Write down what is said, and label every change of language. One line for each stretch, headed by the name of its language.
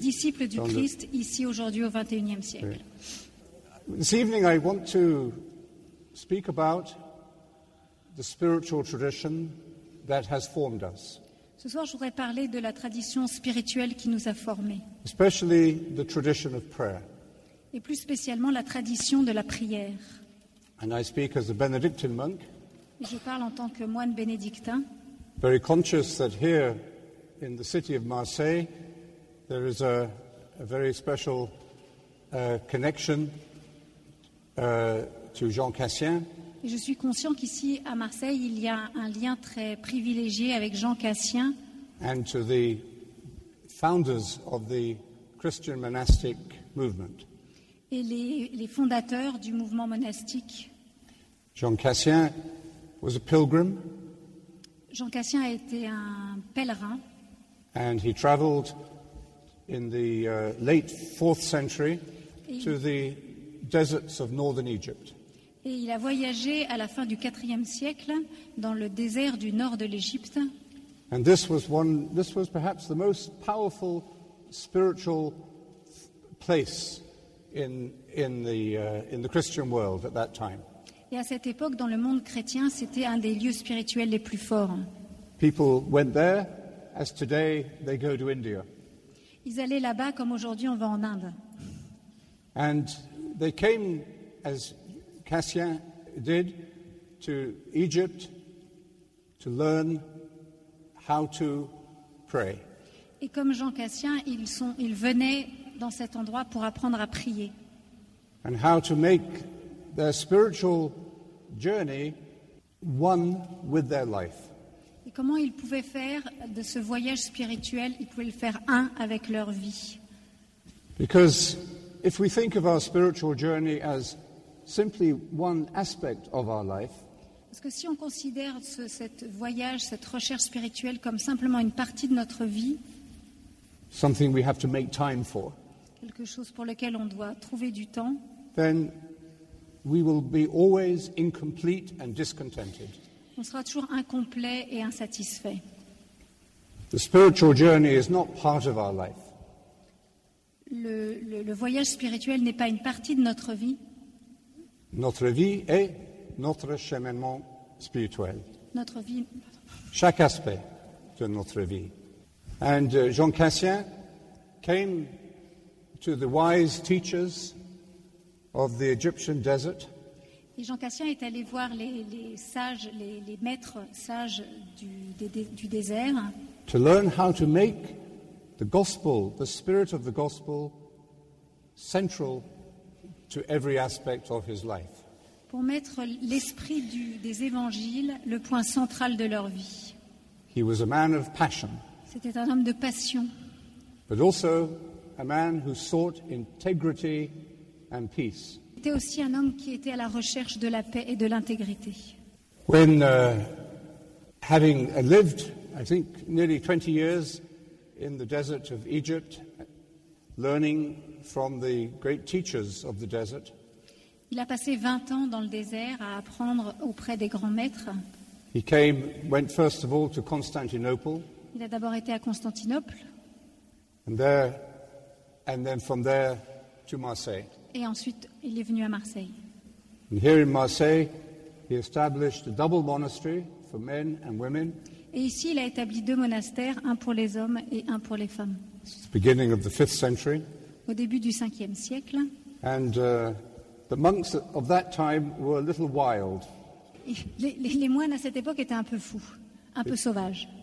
French: Disciples du Christ ici aujourd'hui au 21e siècle.
English: Right. This evening I want to speak about the spiritual tradition that has formed us.
French: Ce soir, je voudrais parler de la tradition spirituelle qui nous a formés.
English: Especially the tradition of prayer.
French: Et plus spécialement la tradition de la prière.
English: And I speak as a Benedictine monk.
French: Et je parle en tant que moine bénédictin.
English: Very conscious that here in the city of Marseille, there is a very special connection to Jean Cassien.
French: Et je suis conscient qu'ici à Marseille, il y a un lien très privilégié avec Jean Cassien.
English: And to the founders of the Christian monastic movement.
French: Et les fondateurs du mouvement monastique.
English: Jean Cassien was a pilgrim.
French: Jean Cassien a été un pèlerin.
English: And he traveled in the late 4th century to the deserts of northern Egypt.
French: Et il a voyagé à la fin du 4e siècle dans le désert du nord de l'Égypte.
English: And this was perhaps the most powerful spiritual place in the Christian world at that time.
French: Et à cette époque, dans le monde chrétien, c'était un des lieux spirituels les plus forts.
English: People went there as today they go to India.
French: Ils allaient là-bas comme aujourd'hui on va en Inde.
English: And they came as Cassien did to Egypt to learn how to pray.
French: Et comme Jean Cassien, ils venaient dans cet endroit pour apprendre à prier.
English: And how to make their spiritual journey one with their life.
French: Et comment ils pouvaient faire de ce voyage spirituel, ils pouvaient le faire un avec leur vie.
English: Because if we think of our spiritual journey as simply one aspect of our life.
French: Parce que si on considère cette voyage, cette recherche spirituelle comme simplement une partie de notre vie,
English: something we have to make time for,
French: quelque chose pour lequel on doit trouver du temps,
English: then we will be always incomplete and discontented.
French: On sera toujours incomplet et insatisfait.
English: The spiritual journey is not part of our life.
French: Le voyage spirituel n'est pas une partie de notre vie. Notre vie est notre cheminement spirituel. Notre vie. Chaque aspect de notre vie.
English: And Jean Cassien came to the wise teachers of the Egyptian desert.
French: Et Jean Cassien est allé voir les sages, les maîtres sages du désert.
English: To learn how to make the gospel, the spirit of the gospel, central to every aspect of his life.
French: Pour mettre l'esprit des évangiles le point central de leur vie.
English: He was a man of passion.
French: C'était un homme de passion.
English: But also a man who sought integrity and peace.
French: C'était aussi un homme qui était à la recherche de la paix et de l'intégrité.
English: When having lived, I think, nearly 20 years in the desert of Egypt, learning from the great teachers of the desert.
French: Il a passé 20 ans dans le désert à apprendre auprès des grands maîtres.
English: He came, went first of all to Constantinople.
French: Il a d'abord été à Constantinople.
English: And then from there to Marseille.
French: Et ensuite, il est venu à Marseille.
English: And here in Marseille, he established a double monastery for men and women.
French: Et ici, il a établi deux monastères, un pour les hommes et un pour les femmes.
English: It's the beginning of the 5th century.
French: Au début du 5e siècle.
English: And the monks of that time were a little wild.
French: Les moines à cette époque étaient un peu fous, peu sauvages.